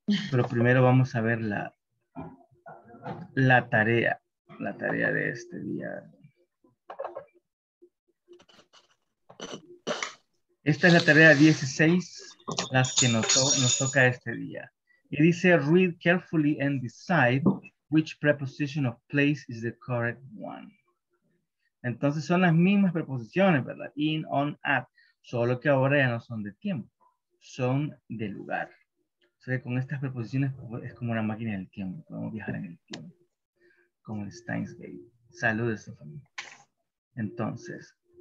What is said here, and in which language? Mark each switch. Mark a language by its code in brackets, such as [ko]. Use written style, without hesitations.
[es] Pero primero vamos a ver la tarea de este día. Esta es la tarea 16, las que nos toca este día. [en] It is a read carefully and decide which preposition of place is the correct one. [es] Entonces son las mismas preposiciones, ¿verdad? In, on, at. Solo que ahora ya no son de tiempo. Son de lugar. O sea que con estas preposiciones es como una máquina del tiempo. Podemos viajar en el tiempo. Como el Steins Gate. Saludos, Stephanie. Entonces.